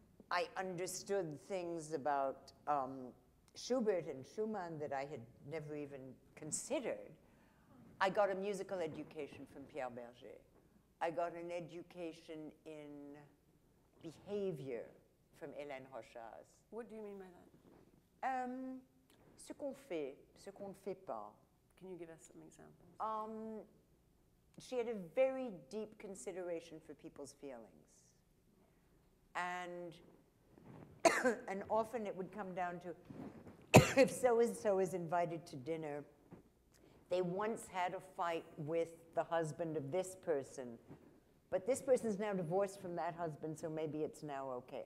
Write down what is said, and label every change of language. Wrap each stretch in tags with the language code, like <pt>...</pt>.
<en>I understood things about Schubert and Schumann that I had never even considered. I got a musical education from Pierre Berger. I got an education in behavior from Hélène Rochas. What do you mean by that?</en> <fr>Ce qu'on fait, ce qu'on ne fait pas.</fr> <en>Can you give us some examples? She had a very deep consideration for people's feelings. And and often it would come down to, if so-and-so is invited to dinner, they once had a fight with the husband of this person, but this person's now divorced from that husband, so maybe it's now okay.</en>